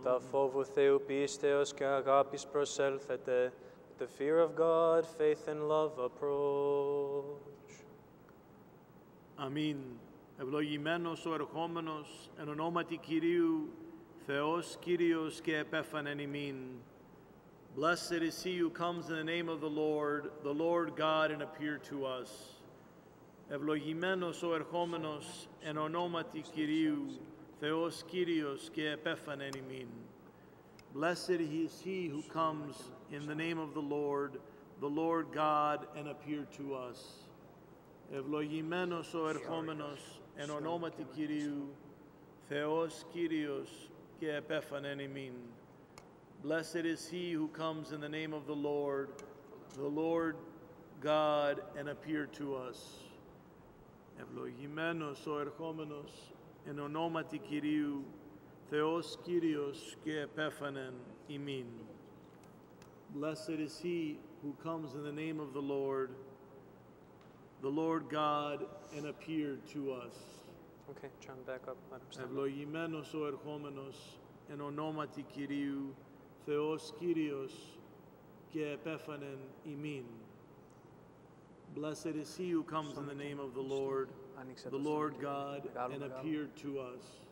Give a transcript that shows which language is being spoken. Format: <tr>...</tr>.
<el>Φόβου Θεού πίστεως και αγάπης προσέλθετε,</el> <en>the fear of God, faith and love approach.</en> <el>Αμήν. Ευλογημένος ο ερχόμενος, εν ονόματι Κυρίου, Θεός Κύριος και επέφανεν ημίν.</el> <en>Blessed is he who comes in the name of the Lord God, and appear to us.</en> <el>Ευλογημένος ο ερχόμενος, εν ονόματι Κυρίου, Θεός Κύριος και επέφανεν ημίν.</el> <en>Blessed is he who comes in the name of the Lord God, and appear to us.</en> <el>Ευλογημένος ο ερχόμενος, εν ονόματι Κυρίου, Θεός Κύριος και επέφανεν ημίν.</el> <en>Blessed is he who comes in the name of the Lord God, and appear to us.</en> <el>Ευλογημένος ο ερχόμενος, εν ονόματι Κυρίου, Θεός Κύριος και επέφανεν ημίν.</el> <en>Blessed is he who comes in the name of the Lord God, and appeared to us. Okay, turn back up.</en> <el>Ευλογημένος ο ερχόμενος, εν ονόματι Κυρίου, Θεός Κύριος και επέφανεν ημίν.</el> <en>Blessed is he who comes in the name of the Lord God, and appeared to us.</en>